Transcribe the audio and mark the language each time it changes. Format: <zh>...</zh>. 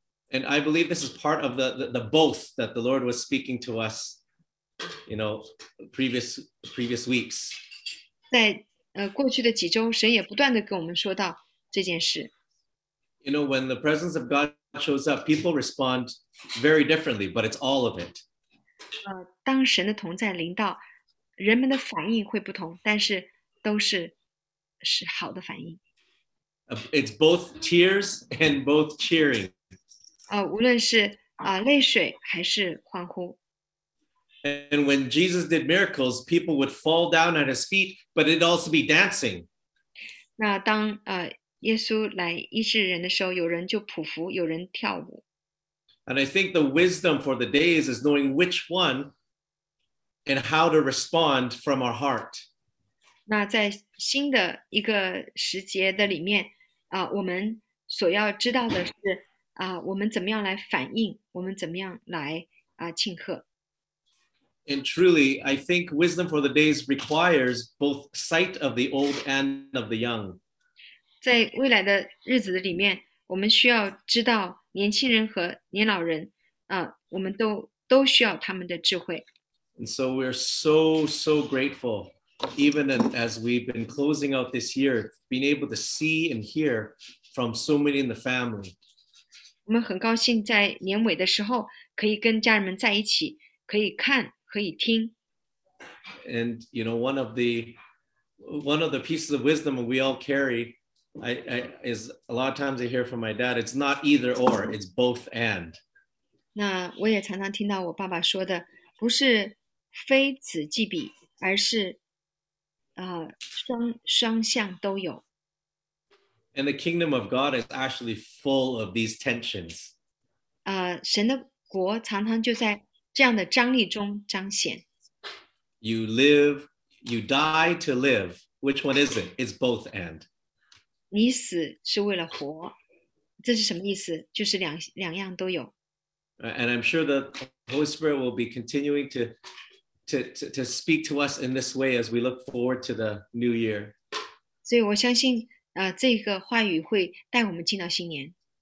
<en>And I believe this is part of the both that the Lord was speaking to us, you know, previous weeks.</en> <zh>在过去的几周，神也不断的跟我们说到这件事。</zh> <en>You know, when the presence of God shows up, people respond very differently, but it's all of it.</en> <zh>当神的同在临到，人们的反应会不同，但是都是好的反应。</zh> <en>It's both tears and both cheering.</en> <zh>无论是泪水还是欢呼。</zh> <en>And when Jesus did miracles, people would fall down at his feet, but it'd also be dancing.</en> <zh>那当耶稣来医治人的时候，有人就匍匐，有人跳舞。</zh> <en>And I think the wisdom for the days is knowing which one and how to respond from our heart.</en> <zh>那在新的一个时节的里面，我们所要知道的是，我们怎么样来反应，我们怎么样来庆贺。</zh> <en>And truly, I think wisdom for the days requires both sight of the old and of the young.</en> <zh>在未来的日子里面，我们需要知道年轻人和年老人，我们都需要他们的智慧。</zh> <en>And so we're so grateful, even as we've been closing out this year, being able to see and hear from so many in the family.</en> <zh>我们很高兴在年尾的时候可以跟家人们在一起，可以看。</zh> <en>And you know, one of the pieces of wisdom we all carry, I is a lot of times I hear from my dad, it's not either or, it's both and.</en> <zh>那我也常常听到我爸爸说的，不是非此即彼，而是双向都有。</zh> <en>And the kingdom of God is actually full of these tensions.</en> <zh>神的国常常就在这样的张力中彰显。</zh> <en>You live, you die to live. Which one is it? It's both and.</en> <zh>你死是为了活，这是什么意思？就是两样都有。</zh> <en>And I'm sure that the Holy Spirit will be continuing to speak to us in this way as we look forward to the new year.</en> <zh>所以我相信，这个话语会带我们进到新年。</zh>